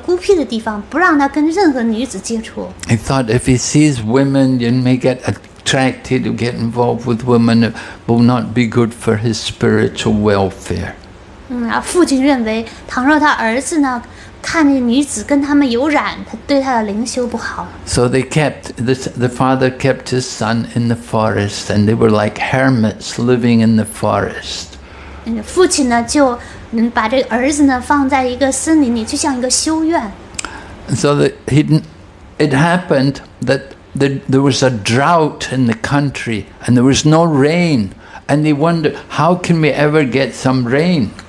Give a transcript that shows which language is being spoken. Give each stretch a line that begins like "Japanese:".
Chinese: 在马哈巴尔的有这样一个故事，有一个国王，他就把他的儿子呢放在一个孤僻的地方，不让他跟任何女子接触。
English: He thought if he sees women, you may get attracted or get involved with women, it will not be good for his spiritual welfare.
Chinese: 父亲认为，倘若他儿子呢，看见女子跟他们有染，他对他的灵修不好。
English: So they kept the father kept his son in the forest, and they were like hermits living in the forest.
Chinese: 父亲呢，就把这儿子呢放在一个森林里，就像一个修院。
English: So it happened that there was a drought in the country, and there was no rain, and they wondered how can we ever get some rain.